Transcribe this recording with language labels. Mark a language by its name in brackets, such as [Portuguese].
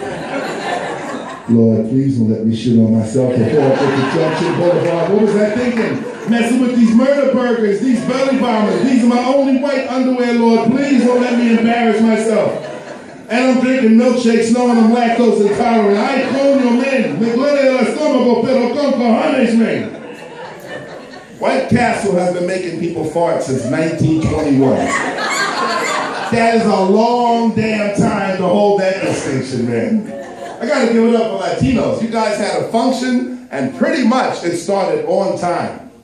[English] Lord, please don't let me shit on myself before I put the junction boulevard. What was I thinking? Messing with these murder burgers, these belly bombers. These are my only white underwear, Lord. Please don't let me embarrass myself. And I'm drinking milkshakes knowing I'm lactose intolerant. I clone your men. [Spanish] Me duele el estómago, pero con cojones, man. [English] White Castle has been making people fart since 1921. That is a long damn time to hold that distinction, man. I gotta give it up for Latinos. You guys had a function, and pretty much it started on time.